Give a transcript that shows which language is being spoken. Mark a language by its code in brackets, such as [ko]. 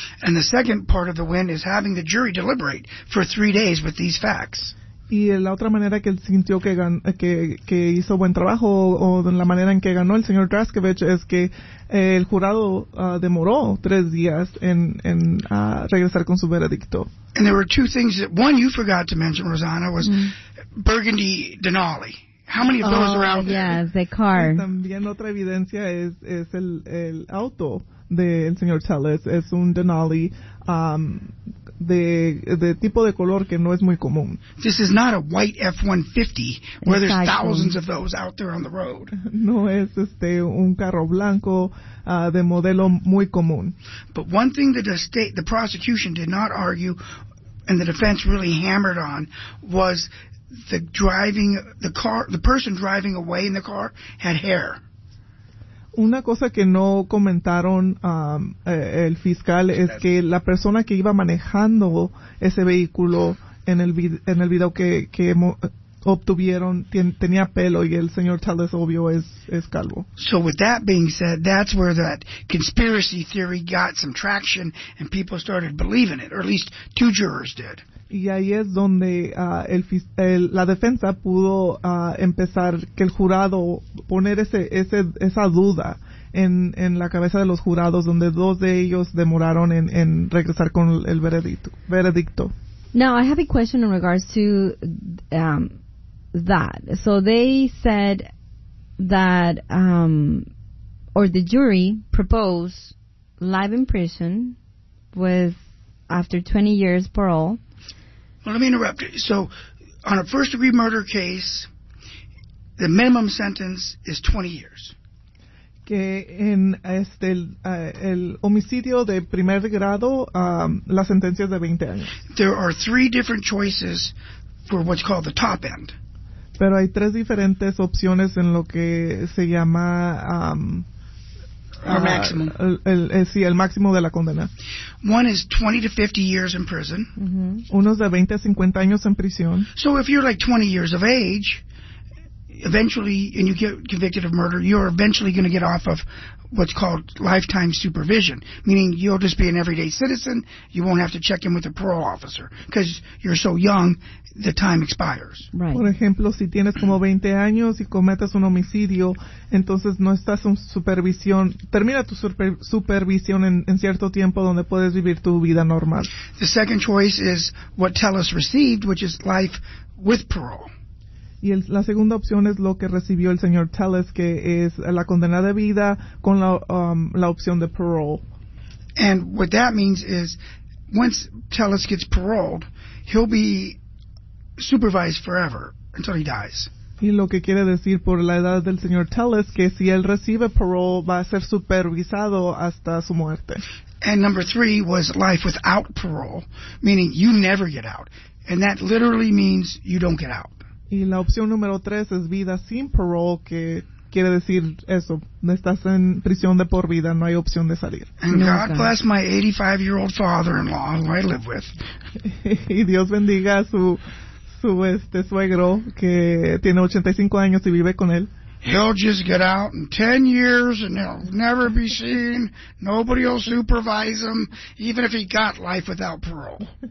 [en] And the second part of the win is having the jury deliberate for 3 days with these facts. [es] Y la otra manera que él sintió que hizo buen trabajo o la manera en que ganó el señor Draskovich es que el jurado demoró 3 días en regresar con su veredicto. [en] And there were two things that one you forgot to mention, Rosanna, was Burgundy Denali. How many of those are out there? Yes, the car. [es] Y también otra evidencia es el auto del señor Tellis. Es un Denali de tipo de color que no es muy común. [en] This is not a white F-150 where there's thousands of those out there on the road. [es] No es un carro blanco de modelo muy común. [en] But one thing that the prosecution did not argue and the defense really hammered on was the person driving away in the car had hair. [es] Una cosa que no comentaron el fiscal es que la persona que iba manejando ese vehículo en el video que obtuvieron tenía pelo y el señor Tellis obvio es calvo. [en] So with that being said, that's where that conspiracy theory got some traction and people started believing it, or at least two jurors did. [es] Y ahí es donde la defensa pudo empezar que el jurado poner esa duda en la cabeza de los jurados, donde dos de ellos demoraron en regresar con el veredicto. [en] Now, I have a question in regards to that. So they said that, or the jury proposed life in prison with after 20 years parole. Well, let me interrupt you. So, on a first-degree murder case, the minimum sentence is 20 years. [es] Que en el homicidio de primer grado, la sentencia es de 20 años. [en] There are three different choices for what's called the top end. [es] Pero hay tres diferentes opciones en lo que se llama [en] our maximum. [es] El máximo de la condena. [en] One is 20 to 50 years in prison. [es] Uno es de 20 a 50 años en prisión. [en] So if you're like 20 years of age, eventually, and you get convicted of murder, you're eventually going to get off of what's called lifetime supervision, meaning you'll just be an everyday citizen. You won't have to check in with a parole officer because you're so young, the time expires. Right. [es] Por ejemplo, si tienes como 20 años y cometes un homicidio, entonces no estás en supervisión. Termina tu supervisión en cierto tiempo donde puedes vivir tu vida normal. [en] The second choice is what TELUS received, which is life with parole. [es] Y la segunda opción es lo que recibió el señor TELUS, que es la condena de vida con la opción de parole. [en] And what that means is, once TELUS gets paroled, he'll be supervised forever until he dies. [es] Y lo que quiere decir por la edad del señor TELUS, que si él recibe parole, va a ser supervisado hasta su muerte. [en] And number three was life without parole, meaning you never get out. And that literally means you don't get out. [es] Y la opción número tres es vida sin parole, que quiere decir eso, estás en prisión de por vida, no hay opción de salir. [en] And God bless my 85-year-old father-in-law who I live with. [es] Y Dios bendiga a su suegro que tiene 85 años y vive con él. [en] He'll just get out in 10 years and he'll never be seen. Nobody will supervise him, even if he got life without parole.